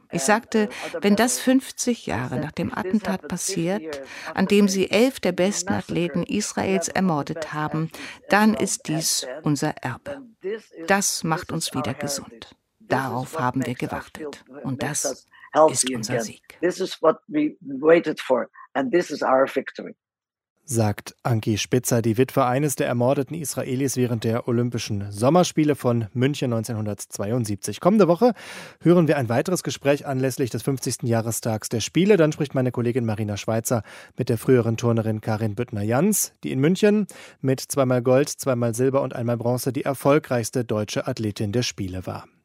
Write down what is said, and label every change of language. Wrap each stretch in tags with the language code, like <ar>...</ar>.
<de>Ich sagte, wenn das 50 Jahre nach dem Attentat passiert, an dem sie 11 der besten Athleten Israels ermordet haben, dann ist dies unser Erbe. Das macht uns wieder gesund. Darauf haben wir gewartet. Und das ist unser Sieg.</de> <en>This is what we waited for and this is our victory.</en> <de>Sagt Anki Spitzer, die Witwe eines der ermordeten Israelis während der Olympischen Sommerspiele von München 1972. Kommende Woche hören wir ein weiteres Gespräch anlässlich des 50. Jahrestags der Spiele. Dann spricht meine Kollegin Marina Schweizer mit der früheren Turnerin Karin Büttner-Jans, die in München mit zweimal Gold, zweimal Silber und einmal Bronze die erfolgreichste deutsche Athletin der Spiele war.</de>